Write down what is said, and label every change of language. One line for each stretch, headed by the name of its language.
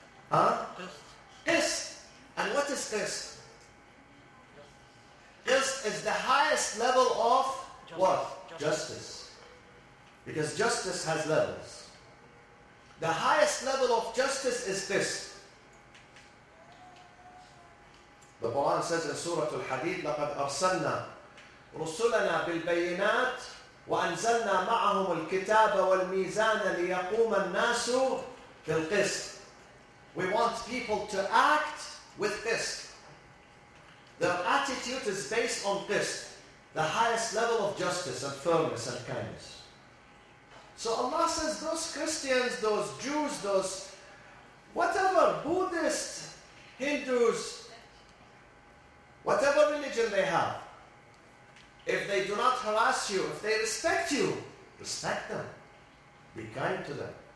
English: Huh? قِسْط. And what is قِسْط? قِسْط is the highest level of what? Justice. Because justice has levels. The highest level of justice is this. The Quran says in Surah Al-Hadid,
Arabic: لَقَدْ أَرْسَلْنَا رُسُلَنَا بِالْبَيِّنَاتِ وَأَنْزَلْنَا مَعَهُمُ الْكِتَابَ وَالْمِيزَانَ لِيَقُومَ النَّاسُ بِالْقِسْطِ.
English: We want people to act with قِسْط. Their attitude is based on قِسْط. The highest level of justice and firmness and kindness. So Allah says those Christians, those Jews, those whatever, Buddhists, Hindus, whatever religion they have, if they do not harass you, if they respect you, respect them. Be kind to them.